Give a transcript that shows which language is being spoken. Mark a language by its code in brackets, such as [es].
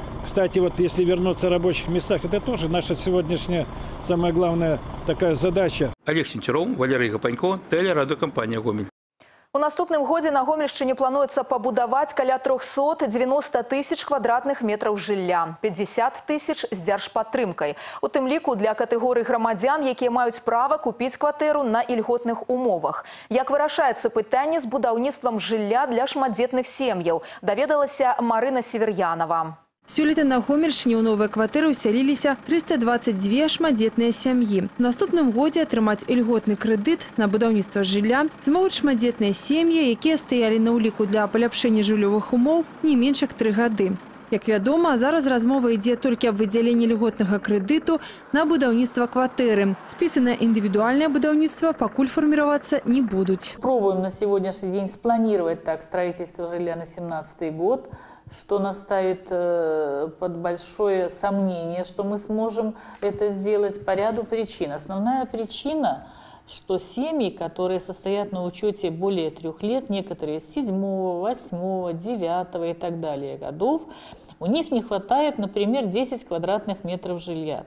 [ru] Кстати, вот если вернуться о рабочих местах, это тоже наша сегодняшняя самая главная такая задача. [be] Олег Сінцероў, Валерій Гапанько, телерадіокампанія «Гомель». У наступным годзе на Гомельшчыне плануецца пабудаваць каля 390 тысяч квадратных метраў жылля, 50 тысяч з дзяржпадтрымкай. У тым ліку для катэгорый грамадзян, якія маюць права купіць кватэру на ільготных умовах. Як вырашаецца пытанне з будаўніцтвам жылля для шматдзетных сем'яў, даведалася Марына Сівер'янова. Сёлета на Гомельшчыне ў новыя кватэры ўсяліліся 322 шматдзетныя сям'і. У наступным годзе атрымаць ільготны крэдыт на будаўніцтва жылля змогуць шматдзетныя сем'і, якія стаялі на ўліку для паляпшэння жыллёвых умоў не менш як 3 гады. Як вядома, зараз размова ідзе толькі аб выдзяленні льготнага крэдыту на будаўніцтва кватэры. Спісы на індывідуальнае будаўніцтва пакуль фарміравацца не будуць. [ru] Пробуем на сегодняшний день спланировать так строительство жилья на 2017 год. что нас ставит под большое сомнение, что мы сможем это сделать по ряду причин. Основная причина, что семьи, которые состоят на учете более 3 лет, некоторые с 7, 8, 9 и так далее годов, у них не хватает, например, 10 квадратных метров жилья.